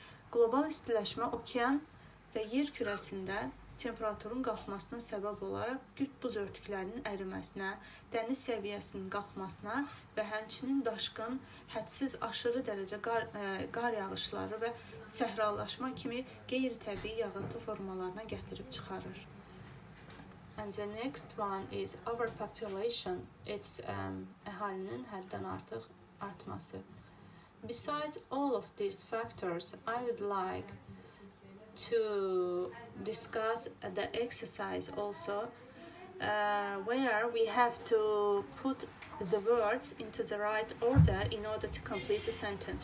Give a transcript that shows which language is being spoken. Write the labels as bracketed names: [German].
[Azerbaijani] Global istiləşmə okean və yer kürəsində temperaturun qalxmasına səbəb olaraq qütb buz örtüklərinin əriməsinə, dəniz səviyyəsinin qalxmasına və həmçinin daşqın, hədsiz aşırı dərəcə qar yağışları və səhralaşma kimi qeyri-təbii yağıntı formalarına gətirib çıxarır. [English] And the next one is overpopulation. It's [Azerbaijani] əhalinin həddən artıq artması. [English] Besides all of these factors, I would like to discuss the exercise also, where we have to put the words into the right order in order to complete the sentence.